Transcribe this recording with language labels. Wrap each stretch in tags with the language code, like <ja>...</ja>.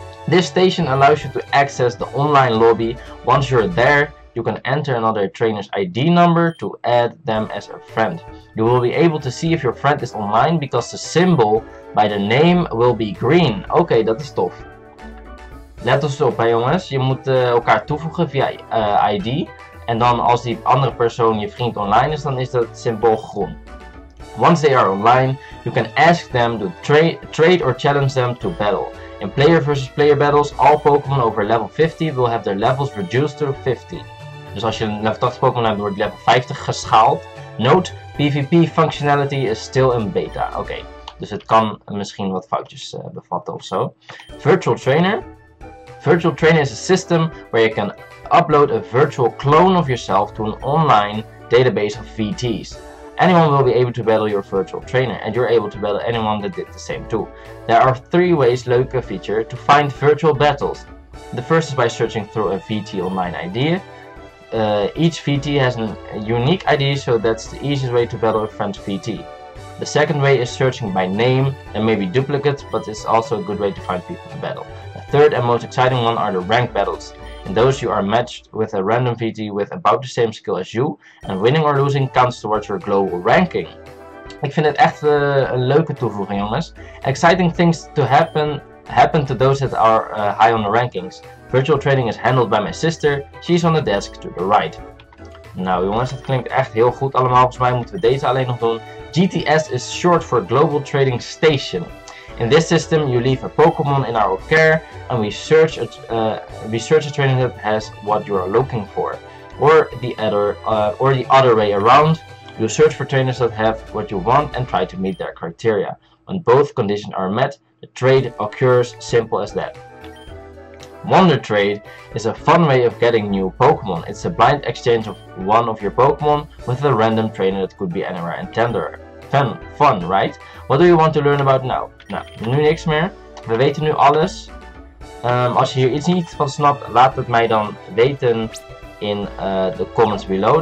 <en>This station allows you to access the online lobby. Once you're there, you can enter another trainer's ID number to add them as a friend. You will be able to see if your friend is online because the symbol by the name will be green.</en> <nl>Oké, dat is tof. Let ons op, hè, jongens. Je moet elkaar toevoegen via ID. En dan als die andere persoon je vriend online is, dan is dat symbool groen.</nl> <en>Once they are online, you can ask them to trade or challenge them to battle. In player versus player battles, all Pokémon over level 50 will have their levels reduced to 50.</en> <nl>Dus als je een level 80 Pokémon hebt, wordt level 50 geschaald.</nl> <en>Note, PvP functionality is still in beta.</en> <nl>Oké, dus het kan misschien wat foutjes bevatten ofzo.</nl> <en>Virtual Trainer. Virtual Trainer is a system where you can upload a virtual clone of yourself to an online database of VTs. Anyone will be able to battle your virtual trainer, and you're able to battle anyone that did the same too. There are three ways,</en> <nl>leuke feature,</nl> <en>to find virtual battles. The first is by searching through a VT online ID. Each VT has a unique ID, so that's the easiest way to battle a friend's VT. The second way is searching by name, and maybe duplicates, but it's also a good way to find people to battle. The third and most exciting one are the ranked battles. In those you are matched with a random VT with about the same skill as you, and winning or losing counts towards your global ranking.</en> <nl>Ik vind het echt een leuke toevoeging, jongens.</nl> <en>Exciting things to happen to those that are high on the rankings. Virtual training is handled by my sister. She's on the desk to the right.</en> <nl>Nou jongens, het klinkt echt heel goed allemaal. Volgens mij moeten we deze alleen nog doen.</nl> <en>GTS is short for Global Trading Station. In this system, you leave a Pokémon in our care, and we search a trainer that has what you are looking for, or the other way around. You search for trainers that have what you want and try to meet their criteria. When both conditions are met, the trade occurs. Simple as that. Wonder Trade is a fun way of getting new Pokémon. It's a blind exchange of one of your Pokémon with a random trainer that could be anywhere and tender. Fun, right? What do you want to learn about now?</en> <nl>Nou, nu niks meer. We weten nu alles. Als je hier iets niet van snapt, laat het mij dan weten in de</nl> <en>comments below.</en>